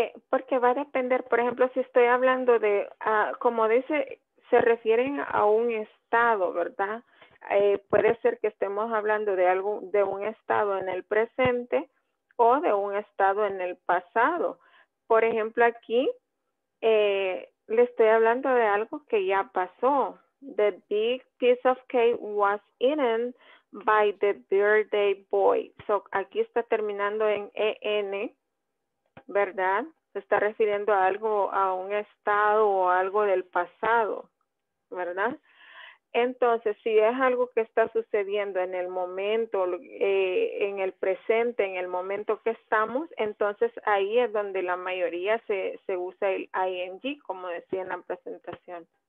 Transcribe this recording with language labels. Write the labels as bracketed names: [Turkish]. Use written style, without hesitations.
[Spanish] Porque va a depender, por ejemplo, si estoy hablando de, como dice, se refieren a un estado, ¿verdad? Puede ser que estemos hablando de algo, de un estado en el presente o de un estado en el pasado. Por ejemplo, aquí le estoy hablando de algo que ya pasó. [English] The big piece of cake was eaten by the birthday boy. [Spanish] So, aquí está terminando en EN, ¿verdad? Se está refiriendo a algo, a un estado o algo del pasado, ¿verdad? Entonces, si es algo que está sucediendo en el momento, en el presente, en el momento que estamos, entonces ahí es donde la mayoría se usa el ing, como decía en la presentación.